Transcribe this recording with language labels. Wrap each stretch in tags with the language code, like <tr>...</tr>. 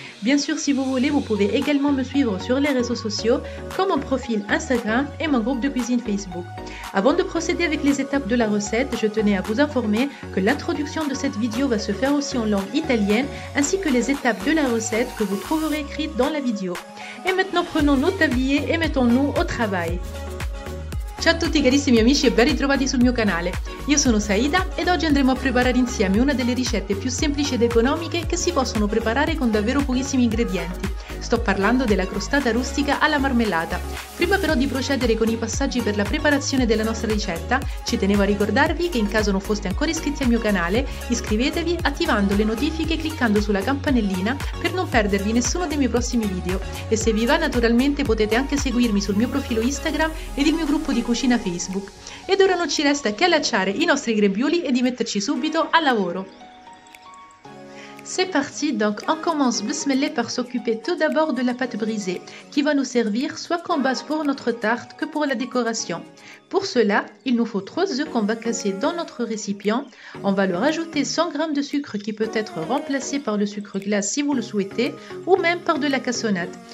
<fr>Bien sûr, si vous voulez, vous pouvez également me suivre sur les réseaux sociaux comme mon profil Instagram et mon groupe de cuisine Facebook. Avant de procéder avec les étapes de la recette, je tenais à vous informer que l'introduction de cette vidéo va se faire aussi en langue italienne ainsi que les étapes de la recette que vous trouverez écrites dans la vidéo. Et maintenant, prenons nos tabliers et mettons-nous au travail.</fr> <it>Ciao a tutti carissimi amici e ben ritrovati sul mio canale. Io sono Saïda ed oggi andremo a preparare insieme una delle ricette più semplici ed economiche che si possono preparare con davvero pochissimi ingredienti. Sto parlando della crostata rustica alla marmellata. Prima però di procedere con i passaggi per la preparazione della nostra ricetta, ci tenevo a ricordarvi che in caso non foste ancora iscritti al mio canale, iscrivetevi attivando le notifiche e cliccando sulla campanellina per non perdervi nessuno dei miei prossimi video. E se vi va, naturalmente potete anche seguirmi sul mio profilo Instagram ed il mio gruppo di cucina Facebook. Ed ora non ci resta che allacciare i nostri grembiuli e di metterci subito al lavoro.</it> <fr>C'est parti, donc on commence bismillah par s'occuper tout d'abord de la pâte brisée qui va nous servir soit comme base pour notre tarte que pour la décoration. Pour cela, il nous faut 3 œufs qu'on va casser dans notre récipient. On va leur ajouter 100 g de sucre qui peut être remplacé par le sucre glace si vous le souhaitez ou même par de la cassonade.</fr>